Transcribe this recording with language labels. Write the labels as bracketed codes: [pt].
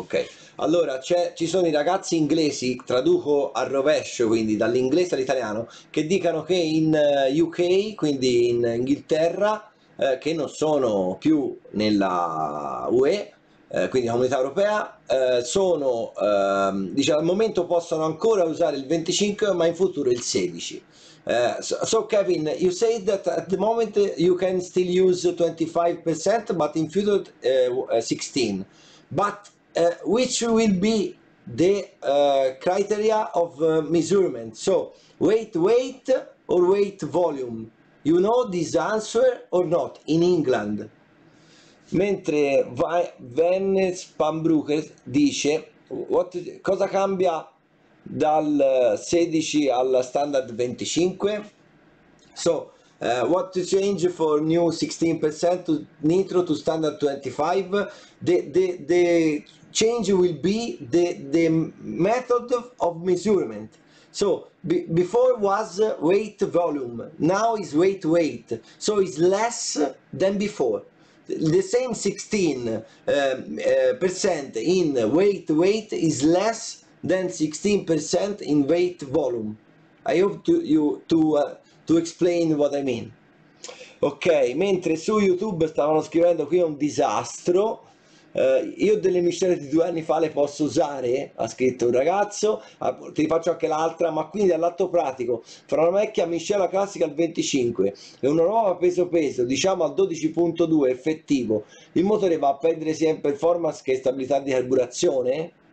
[it] Ok, allora ci sono i ragazzi inglesi, traduco al rovescio, quindi dall'inglese all'italiano, che dicono che in UK, quindi in Inghilterra, che non sono più nella UE, quindi Comunità Europea, sono diciamo, al momento possono ancora usare il 25, ma in futuro il 16. [en] So Kevin, you say that at the moment you can still use 25%, but in future 16. But which will be the criteria of measurement? So weight, or weight volume? You know this answer or not in England? [it] Mentre Vennes Pambrucker dice: cosa cambia dal 16 alla standard 25? [en] So, what to change for new 16% nitro to standard 25? The change will be the method of measurement. So before was weight volume, now is weight, so it's less than before. The same 16% in weight is less than 16% in weight volume. I hope to explain what I mean. [it] Ok, mentre su YouTube stavano scrivendo qui è un disastro. Io delle miscele di 2 anni fa le posso usare, ha scritto un ragazzo. Ti faccio anche l'altra, ma quindi all'atto pratico, fra una vecchia miscela classica al 25 e una nuova peso-peso, diciamo al 12,2 effettivo, il motore va a perdere sia in performance che in stabilità di carburazione?